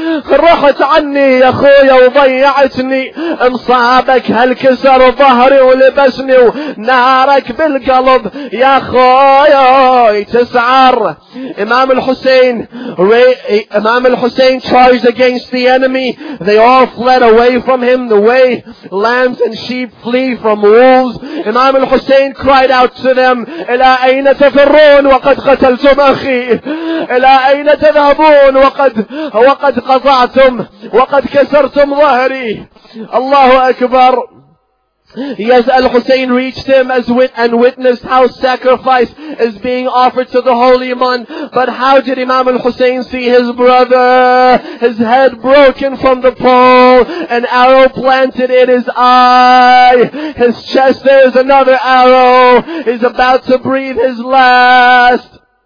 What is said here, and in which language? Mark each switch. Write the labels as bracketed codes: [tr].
[ar] رحت عني يا خويا وضيعتني انصابك هالكسر ظهري ولبسني ونارك بالقلب يا خويا تسعر. [en] Imam al-Hussein charged against the enemy. They all fled away from him the way lambs and sheep flee from wolves. Imam al-Hussein cried out to them, [ar] إلى أين تفرون وقد قتلتم أخي؟ إلى أين تذهبون وقد قطعتم وقد كسرتم ظهري؟ الله أكبر. [en] Yes, Al-Hussein reached him and witnessed how sacrifice is being offered to the holy one. But how did Imam Al-Hussein see his brother, his head broken from the pole, an arrow planted in his eye, his chest, there is another arrow, he's about to breathe his last.